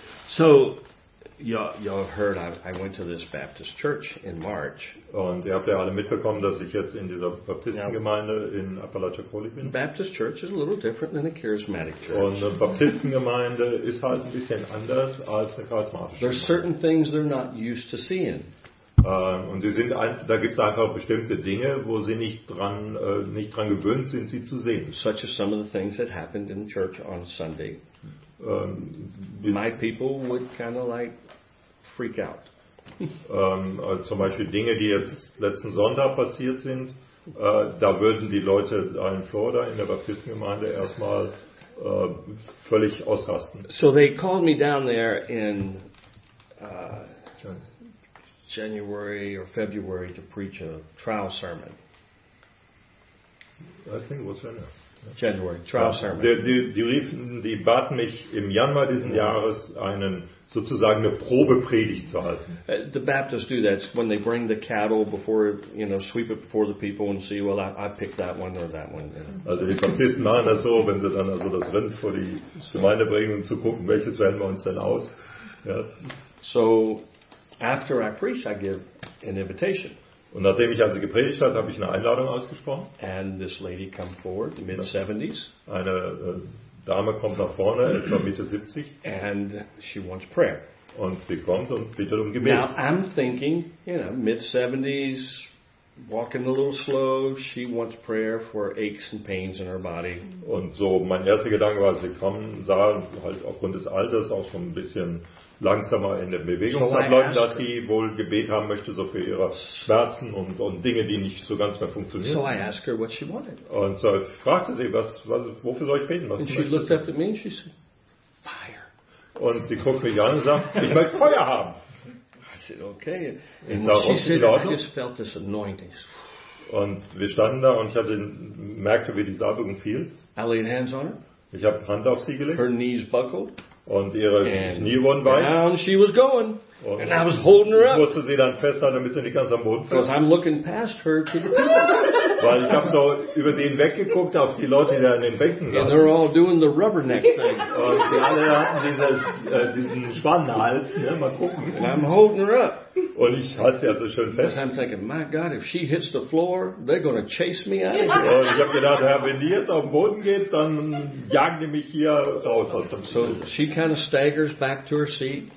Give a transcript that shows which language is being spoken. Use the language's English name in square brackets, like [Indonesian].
[English] So, y'all heard I went to this Baptist church in March. [German] Und ihr habt ja alle mitbekommen, dass ich jetzt in dieser Baptistengemeinde in Apalachicola bin. [English] Baptist church is a little different than a charismatic church. [German] Und eine Baptistengemeinde ist halt ein bisschen anders als eine charismatische. [English] There's certain things they're not used to seeing. [German] Und sie sind da gibt's einfach bestimmte Dinge, wo sie nicht dran gewöhnt sind, sie zu sehen. [English] Such as some of the things that happened in church on Sunday. My people would kind of like freak out. [German] Zum Beispiel Dinge, die jetzt letzten Sonntag passiert sind, da würden die Leute in Florida in der Baptistengemeinde erstmal völlig ausrasten. [English] So they called me down there in January or February to preach a trial sermon. I think it was right now. January, trial sermon. [German] Die baten mich im Januar diesen Jahres, sozusagen eine Probepredigt zu halten. [English] The Baptists do that when they bring the cattle before, sweep it before the people and see, well, I picked that one or that one. [German] Also die Baptisten machen das so, wenn sie dann also das Rind vor die Gemeinde bringen und zu gucken, welches wählen wir uns denn aus. Ja. [English] So, after I preach, I give an invitation. [German] Und nachdem ich also gepredigt habe, habe ich eine Einladung ausgesprochen. [English] And this lady come forward, mid-70s. [German] Eine Dame kommt nach vorne, etwa Mitte 70. [English] And she wants prayer. [German] Und sie kommt und bittet um Gebet. [English] Now I'm thinking, mid-70s, walking a little slow, she wants prayer for aches and pains in her body. [German] Und so mein erster Gedanke war, sie kommen, sah halt aufgrund des Alters auch schon ein bisschen langsamer in der Bewegung abläuft, dass sie wohl Gebet haben möchte, so für ihre Schmerzen und Dinge, die nicht so ganz mehr funktionieren. [English] So I asked her what she wanted. [German] Und so fragte sie, was wofür soll ich beten? [English] Was and she looked up at me and she said, fire. [German] Und sie guckt mich an und sagt, ich möchte Feuer haben. [English] I said, okay. And she said, I just felt this anointing. [German] Und wir standen da und ich merkte, wie die Salbung fiel. [English] I laid hands on her. [German] Ich habe Hand auf sie gelegt. [English] Her knees buckled. [German] Und ihre Knie wurden weit. [English] Down she was going. And I was holding her up. [German] Musste sie dann festhalten, damit sie nicht ganz am Boden fällt. [English] I'm looking past her to the [German] weil ich habe so über sie hinweggeguckt auf die Leute, die da in den Bänken saßen. [English] And they're all doing the rubberneck thing. [German] Und die alle hatten diesen Spannhals. Ne? Mal gucken. [English] And I'm holding her up. [German] Und ich halte sie also schön fest. [English] I'm thinking, my God, if she hits the floor, they're going to chase me out of here. [German] Und ich habe gedacht, wenn die jetzt auf den Boden geht, dann jagen die mich hier raus. [English] So she kind of staggers back to her seat.